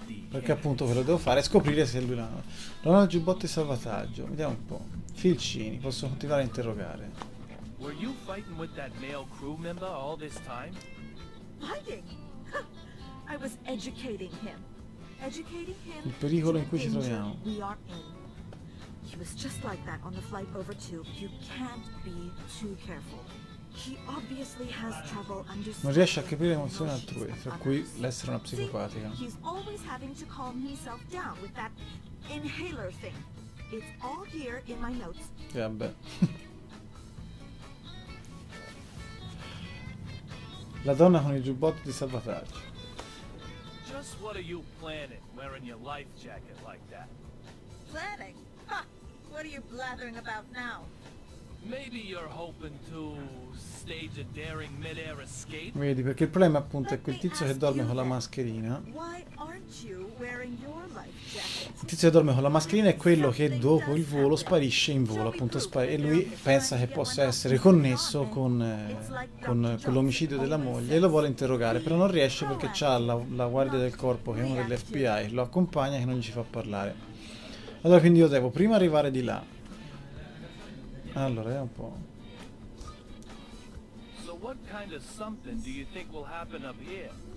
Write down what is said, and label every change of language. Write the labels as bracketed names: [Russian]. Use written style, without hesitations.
[Italian] Perché appunto ve lo devo fare e scoprire se lui l'ha. Non ha il giubbotto di salvataggio. Vediamo un po'. Filcini, posso continuare a interrogare. [English] Were you fighting with that male crew member all this time? Fighting? I was educating him. Educating him. [Italian] Il pericolo in cui ci troviamo. [English] We are in. He was just like that on the flight over too. You can't be too careful. He obviously has trouble understanding. [Italian] Non riesce a capire le emozioni altrui, tra cui l'essere una psicopatica. [English] He's always having to calm himself down with that inhaler thing. It's all here in my notes. [Italian] Vabbè. La donna con il giubbotto di salvataggio. [English] Just what are you planning, wearing your life jacket like that? Planning? Ha! What are you blathering about now? Maybe you're hoping to stage a daring mid-air escape? [Italian] Vedi, perché il problema appunto è quel tizio che dorme con la mascherina. [English] Why aren't you wearing your life jacket? [Italian] Il tizio che dorme con la mascherina è quello che dopo il volo sparisce in volo, appunto spari, e lui pensa che possa essere connesso con l'omicidio della moglie e lo vuole interrogare, però non riesce perché c'ha la guardia del corpo, che è uno dell'FBI, lo accompagna, che non gli fa parlare. Allora quindi io devo prima arrivare di là. Allora, è un po'. [English] So what kind of something do you think will happen up here?